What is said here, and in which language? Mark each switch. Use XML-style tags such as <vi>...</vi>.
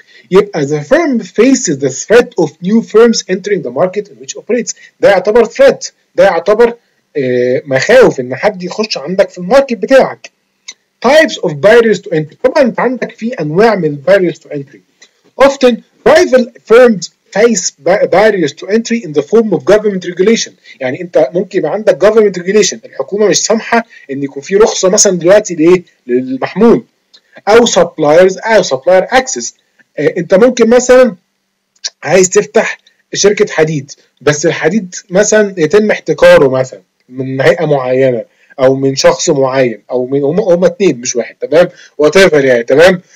<en>يبقى the firm faces the threat of new firms entering the market in which operates.</en> <ar>ده يعتبر threat، ده يعتبر مخاوف ان حد يخش عندك في الماركت بتاعك.</ar> <en>types of barriers to entry،</en> <ar>طبعا انت عندك في انواع من</ar> <en>barriers to entry. often rival firms face barriers to entry in the form of government regulation.</en> <ar>يعني انت ممكن يبقى عندك</ar> <en>government regulation،</en> <ar>الحكومه مش سامحه ان يكون في رخصه مثلا دلوقتي لايه للمحمول، او suppliers، او</ar> <en>supplier access.</en> <ar>انت ممكن مثلا عايز تفتح شركه حديد، بس الحديد مثلا يتم احتكاره مثلا من هيئه معينه، او من شخص معين، او من هما اتنين مش واحد، تمام، واتيفر يعني، تمام.</ar>